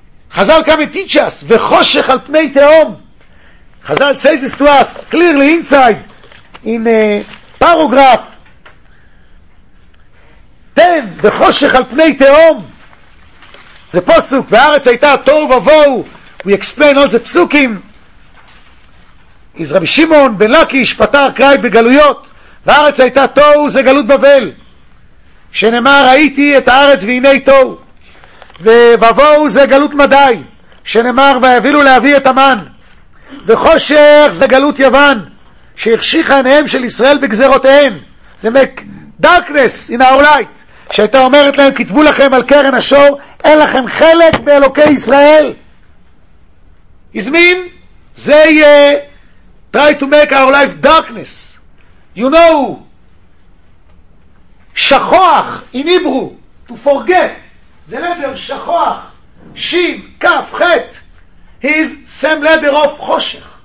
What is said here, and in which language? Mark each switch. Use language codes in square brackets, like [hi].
[en] Chazal come and teach us, [he] V'choshech al pnei teom. [en] Chazal says this to us clearly inside, in a paragraph 10, V'choshech al pnei teom. The posuk, [he] V'aretz hayta tohu vavohu, [en] we explain all the psukim. [he] Is Rabbi Shimon ben Lakish, Patar Krai begaluyot, V'aretz hayta tohu, זה גלות בבל. שנאמר, ראיתי את הארץ והנה תוהו. ובבואו זה גלות מדי, שנאמר והבילו להביא את המן. וחושך זה גלות יוון, שהחשיכה עיניהם של ישראל בגזרותיהם. זה [en] darkness in our light, [he] שהייתה אומרת להם, כתבו לכם על קרן השור, אין לכם חלק באלוקי ישראל. הזמין, זה יהיה, [en] try to make our life darkness. You know, שכוח, in Hebrew, to forget. The letter שכוח, שין, כף, חט, is same letter of חושך.